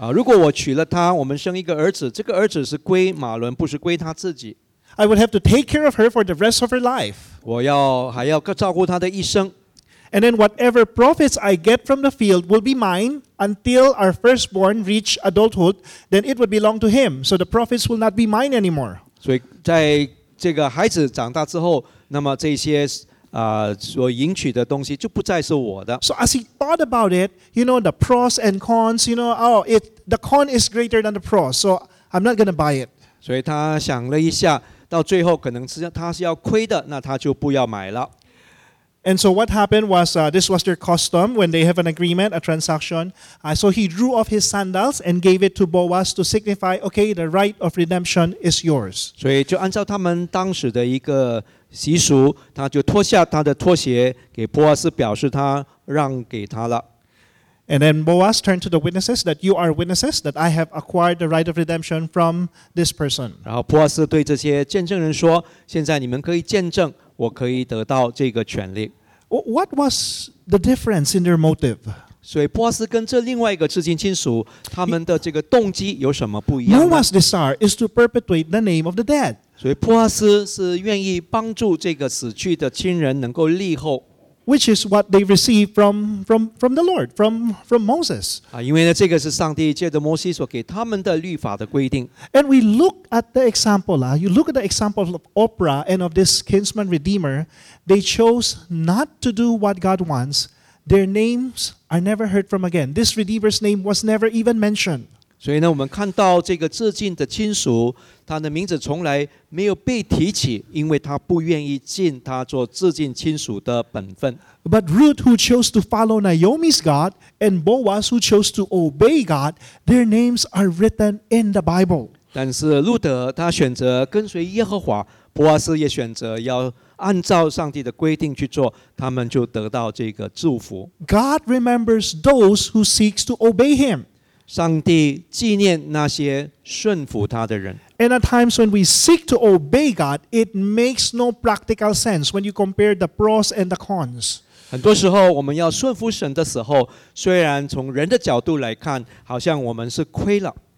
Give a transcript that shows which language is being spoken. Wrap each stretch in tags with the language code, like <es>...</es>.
<zh>如果我娶了她，我们生一个儿子，这个儿子是归马伦，不是归她自己。</zh> <en>I would have to take care of her for the rest of her life.</en> <zh>我要还要照顾她的一生。</zh> <en>And then whatever profits I get from the field will be mine until our firstborn reach adulthood, then it would belong to him. So the profits will not be mine anymore.</en> <zh>所以在这个孩子长大之后，那么这些所赢取的东西就不再是我的。</zh> <en>So as he thought about it, you know, the pros and cons, you know, oh, it, the con is greater than the pros, so I'm not going to buy it.</en> <zh>所以他想了一下，到最后可能是他是要亏的，那他就不要买了。</zh> <en>And so what happened was, this was their custom when they have an agreement, a transaction. So he drew off his sandals and gave it to Boaz to signify, okay, the right of redemption is yours.</en> <zh>所以就按照他们当时的一个习俗，他就脱下他的拖鞋给波阿斯，表示他让给他了。</zh> <en>And then Boaz turned to the witnesses that you are witnesses that I have acquired the right of redemption from this person.</en> <zh>然后波阿斯对这些见证人说：“现在你们可以见证，我可以得到这个权利。”</zh> <en>What was the difference in their motive?</en> <zh>所以波阿斯跟这另外一个至亲亲属他们的这个动机有什么不一样？</zh> <en>Boaz's desire is to perpetuate the name of the dead.</en> <zh>所以波阿斯是愿意帮助这个死去的亲人能够立后，</zh> <en>which is what they received from the Lord, from Moses.</en> <zh>因为呢，这个是上帝借着摩西所给他们的律法的规定。</zh> <en>And we look at the example, you look at the example of Oprah and of this kinsman redeemer. They chose not to do what God wants. Their names are never heard from again. This redeemer's name was never even mentioned.</en> <zh>所以呢，我们看到这个至亲的亲属，他的名字从来没有被提起，因为他不愿意尽他做至亲亲属的本分。</zh> <en>But Ruth, who chose to follow Naomi's God, and Boaz, who chose to obey God, their names are written in the Bible.</en> <zh>但是路德他选择跟随耶和华，波阿斯也选择要按照上帝的规定去做，他们就得到这个祝福。</zh> <en>God remembers those who seeks to obey Him.</en> <zh>上帝纪念那些顺服他的人。</zh> <en>And at times when we seek to obey God, it makes no practical sense when you compare the pros and the cons.</en> <zh>很多时候我们要顺服神的时候，虽然从人的角度来看，好像我们是亏了。</zh>